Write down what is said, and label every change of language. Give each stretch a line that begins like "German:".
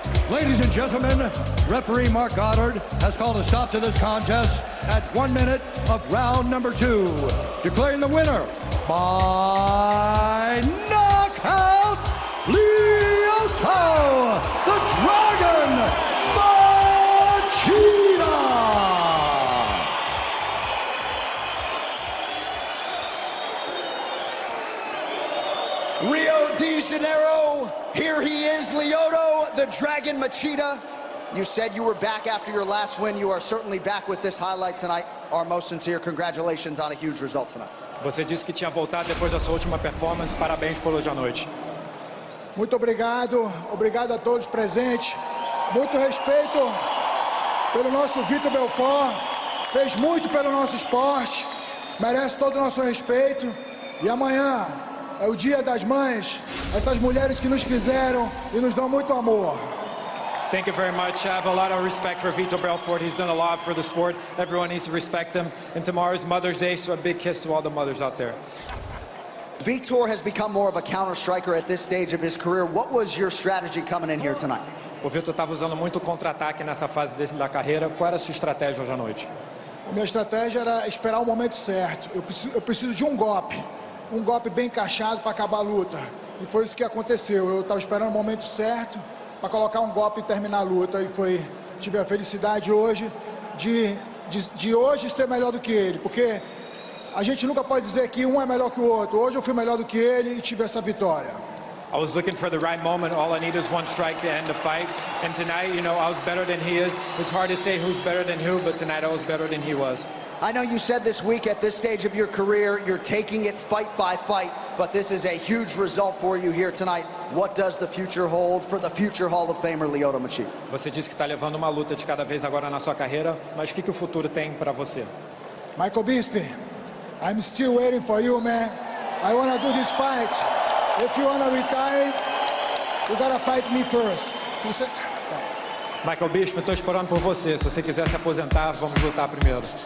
English: Ladies and gentlemen, referee Mark Goddard has called a stop to this contest at 1 minute of round number two, declaring the winner by knockout, Lyoto, the Dragon Machida! Rio de Janeiro, here he is, Lyoto. The Dragon Machida, you said you were back after your last win. You are certainly back with this highlight tonight. Our most sincere congratulations on a huge result tonight.
Portuguese: Você disse que tinha voltado depois da sua última performance. Parabéns por hoje à noite. Muito obrigado. Obrigado a todos presentes. Muito respeito pelo nosso Vitor Belfort. Fez muito pelo nosso esporte. Merece todo o nosso respeito. E amanhã é o dia das mães, essas mulheres que nos fizeram e nos dão muito amor.
English: Thank you very much. I have a lot of respect for Vitor Belfort. He's done a lot for the sport. Everyone needs to respect him. And tomorrow's Mother's Day, so a big kiss to all the mothers out there. Vitor has become more of a counter-striker at this stage of his career. What was your strategy coming in here tonight?
Portuguese: O Vitor estava usando muito contra-ataque nessa fase da carreira. Qual era a sua estratégia hoje à noite? A minha estratégia era esperar o momento certo. Eu preciso de um golpe. Um golpe bem encaixado para acabar a luta. E foi isso que aconteceu. Eu estava esperando o momento certo para colocar um golpe e terminar a luta. E foi. Tive a felicidade hoje de hoje ser melhor do que ele. Porque a gente nunca pode dizer que um é melhor que o outro. Hoje eu fui melhor do que ele e tive essa vitória.
English: I was looking for the right moment. All I need is one strike to end the fight. And tonight, you know, I was better than he is. It's hard to say who's better than who, but tonight I was better than he was. I know you said this week at this stage of your career, you're taking it fight by fight, but this is a huge result for you here tonight. What does the future hold for the future Hall of Famer, Lyoto Machida?
Portuguese: Você disse que está levando uma luta de cada vez agora na sua carreira, mas que o futuro tem para você?
English: Michael Bisping, I'm still waiting for you, man. I want to do this fight. If you want to retire, you got to fight me first.
Portuguese: Michael Bisping, estou esperando por você. Se você quiser se aposentar, vamos lutar primeiro.